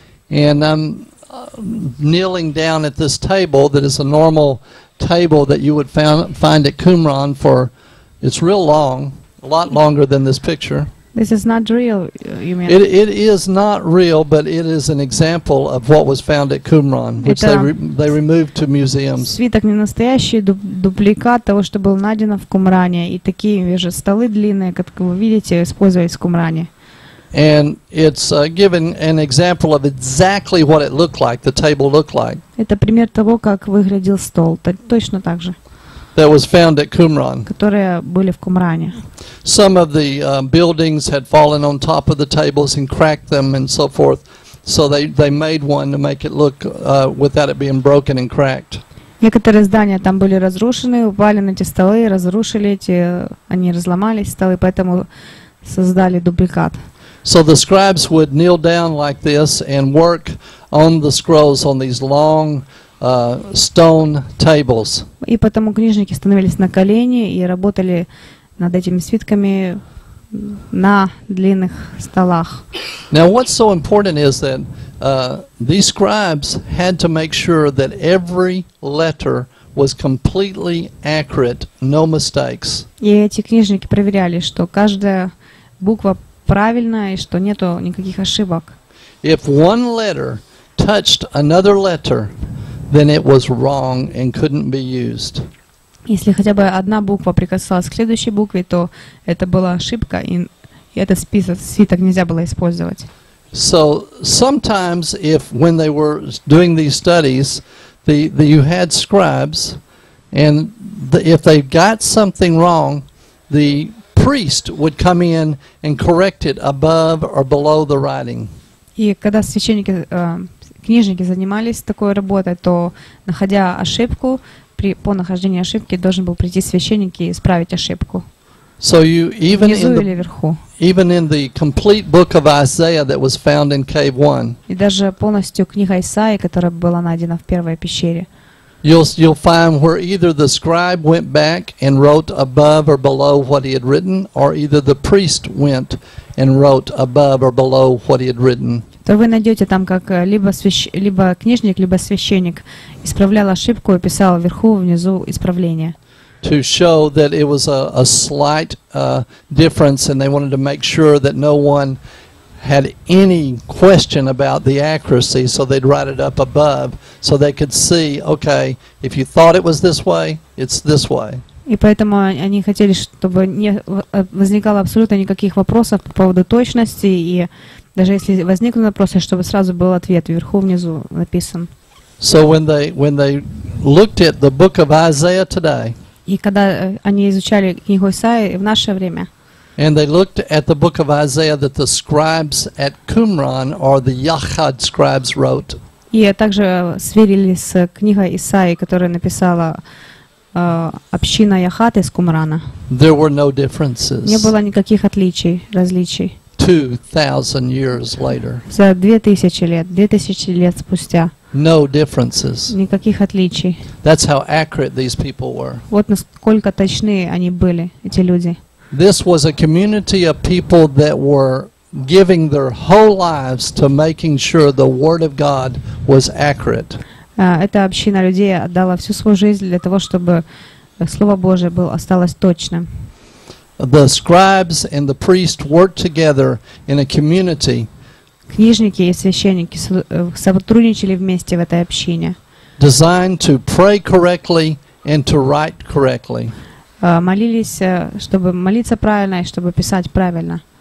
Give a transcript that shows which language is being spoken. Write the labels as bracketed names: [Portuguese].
[English] And I'm kneeling down at this table that is a normal table that you would find at Qumran for. It's real long, a lot longer than this picture. This is not real, you mean? It is not real, but it is an example of what was found at Qumran, which they removed to museums. [Russian] Свиток не настоящий, дубликат того, что было найдено в Кумране, и такие же столы длинные, как вы видите, использовались в Кумране. [English] And it's given an example of exactly what it looked like, the table looked like. [Russian] Это пример того, как выглядел стол, точно так же. [English] That was found at Qumran. [Russian] Которые были в Кумране. [English] Some of the buildings had fallen on top of the tables and cracked them and so forth. So they made one to make it look without it being broken and cracked. [Russian] Некоторые здания там были разрушены, упали на эти столы, разрушили эти, они разломались столы, поэтому создали дубликат. [English] So the scribes would kneel down like this and work on the scrolls on these long stone tables. [Russian] И потому книжники становились на колени и работали над этими свитками на длинных столах. [English] Now what's so important is that these scribes had to make sure that every letter was completely accurate, no mistakes. [Russian] И эти книжники проверяли, что каждая буква правильная и что нету никаких ошибок. [English] If one letter touched another letter, then it was wrong and couldn't be used. [Russian] Если хотя бы одна буква прикасалась к следующей букве, то это была ошибка, и этот список свиток нельзя было использовать. [English] So sometimes, if when they were doing these studies, the you had scribes, and if they got something wrong, the priest would come in and correct it above or below the writing. [Russian] И когда священники книжники занимались такой работой, то, находя ошибку, по нахождению ошибки должен был прийти священник и исправить ошибку. [English] So you, even [Russian] внизу [English] in the, [Russian] или вверху. [English] Even in the complete book of Isaiah that was found in cave 1. [Russian] И даже полностью книга Исаии, которая была найдена в первой пещере. [English] You'll find where either the scribe went back and wrote above or below what he had written, or either the priest went and wrote above or below what he had written. [Russian] То вы найдете там, как либо книжник, либо священник исправлял ошибку и писал вверху, внизу исправление. [English] To show that it was a slight difference, and they wanted to make sure that no one had any question about the accuracy, so they'd write it up above, so they could see, okay, if you thought it was this way, it's this way. [Russian] И поэтому они хотели, чтобы не возникало абсолютно никаких вопросов по поводу точности, и даже если возникнут вопросы, чтобы сразу был ответ вверху, внизу написан. [English] So when they looked at the book of Isaiah today. [Russian] И когда они изучали книгу Исаии в наше время. [English] And they looked at the book of Isaiah that the scribes at Qumran or the Yachad scribes wrote. [Russian] И также сверили с книгой Исаии, которую написала община Яхат из Кумрана. [English] There were no differences. [Russian] Не было никаких отличий, различий. [English] 2000 years later. [Russian] За 2000 лет спустя. [English] No differences. [Russian] Никаких отличий. [English] That's how accurate these people were. [Russian] Вот насколько точны они были, эти люди. [English] This was a community of people that were giving their whole lives to making sure the word of God was accurate. [Russian] Эта община людей отдала всю свою жизнь для того, чтобы Слово Божие осталось точным. [English] The scribes and the priests worked together in a community. [Russian] Книжники и священники сотрудничали вместе в этой общине. [English] Designed to pray correctly and to write correctly. [Russian] Молились, чтобы молиться правильно и чтобы писать правильно.